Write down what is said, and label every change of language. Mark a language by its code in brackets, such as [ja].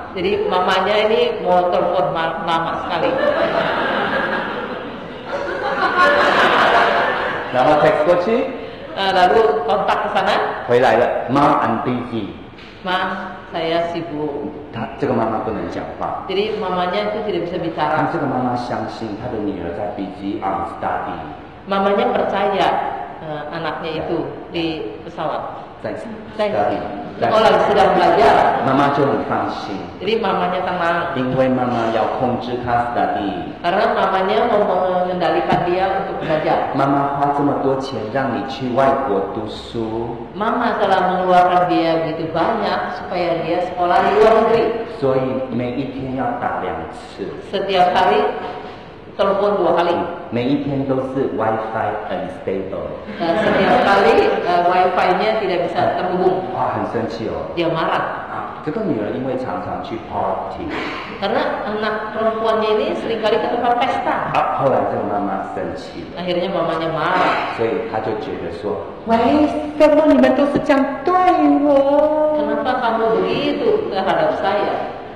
[id] Jadi mamanya ini mau telepon lama sekali. [zh] 然后 text 过去。 [id] Lalu kontak ke sana. [zh] 回来了 [en] ，Mom, I'm busy. [id] Mom, saya sibuk. [zh] 她这个妈妈不能讲话。 [id] Jadi mamanya itu tidak bisa bicara. [zh] 她这个妈妈相信她的女儿在 [en] busy on study. [id] Mamanya percaya anaknya itu di pesawat. [zh] 在 [id] study. Oh, lagi sedang belajar. [zh] 妈妈就很放心。 [id] Jadi mamanya tenang. [zh] 因为妈妈要控制她 study。 [id] Karena mamanya mau mengendalikan dia untuk belajar. [zh] 妈妈花这么多钱让你去外国读书。 [id] Mama telah mengeluarkan dia begitu banyak supaya dia sekolah di luar negeri. [zh] 所以每一天要打两次。 [id] Setiap hari telepon dua kali. [zh] 每一天都是 [en] WiFi unstable. [id] Setiap kali WiFi-nya tidak bisa terhubung. [zh] 哇，很生气哦。 [id] Dia marah. [zh] 这个女儿因为常常去 party， [id] 那anak perempuannya ini seringkali ke tempat pesta。 [zh] 后来这个妈妈生气了。 [id] Akhirnya mamanya marah。 [zh] 所以她就觉得说，为什么你们都是这样对我 [id] ？Kenapa kamu begitu terhadap saya？